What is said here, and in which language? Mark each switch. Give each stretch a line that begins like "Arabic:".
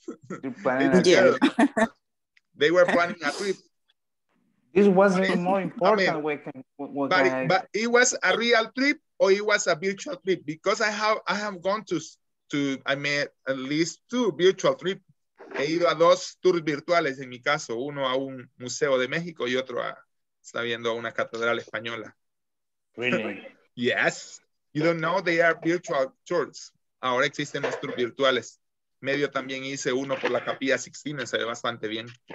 English: They were planning a trip. This wasn't more important. I mean, but it was a real trip or it was a virtual trip? Because I have gone to at least two virtual trips.
Spanish: He ido a dos tours virtuales en mi caso, uno a un museo de México y otro a está viendo a una catedral española.
English: Really? Yes, you don't know they are virtual tours.
Spanish: Ahora existen los tours virtuales. Medio también hice uno por la Capilla Sixtina, se ve bastante bien.